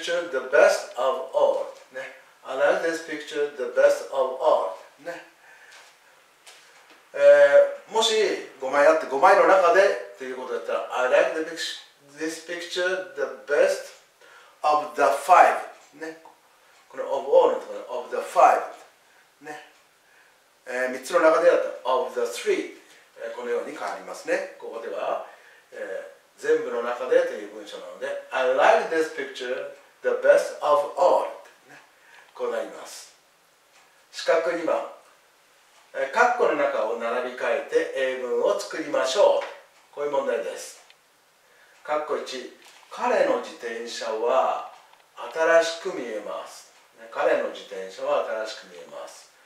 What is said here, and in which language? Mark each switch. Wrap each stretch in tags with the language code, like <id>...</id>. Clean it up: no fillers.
<en>The best of all.、ね、I like this picture, the best of all.、</en> <ja>ねもし5枚あって5枚の中でということだったら</ja> <en>I like the picture, this picture, the best of the five.、ね、この of all のところ of the five.、</en> <ja>ねえー、3つの中でだったら</ja> <en>of the three.、</en> <ja>このように変わりますね。ここでは、全部の中でという文章なので</ja> <en>I like this picture. The best of all、ね、こうなります。</en> <ja>四角2番、カッコの中を並び替えて英文を作りましょう。こういう問題です。カッコ1、彼の自転車は新しく見えます、ね、彼の自転車は新しく見えます。</ja>